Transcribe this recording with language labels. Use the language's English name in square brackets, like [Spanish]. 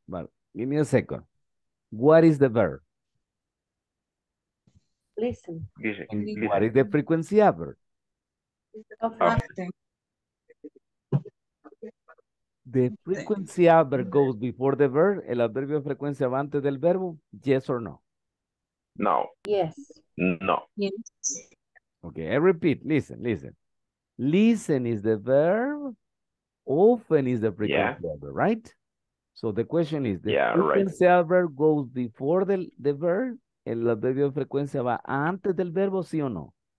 [English] But give me a second. What is the verb? Listen. What is the frequency of verb? The frequency of verb goes before the verb. [Spanish] El adverbio de frecuencia va antes del verbo. [English] Yes or no? No. Yes. No. Yes. Okay, I repeat. Listen. Listen is the verb. Often is the frequency of verb, right? So the question is, the frequency of verb goes before the verb. [Spanish] El adverbio de frecuencia va antes del verbo, sí o no?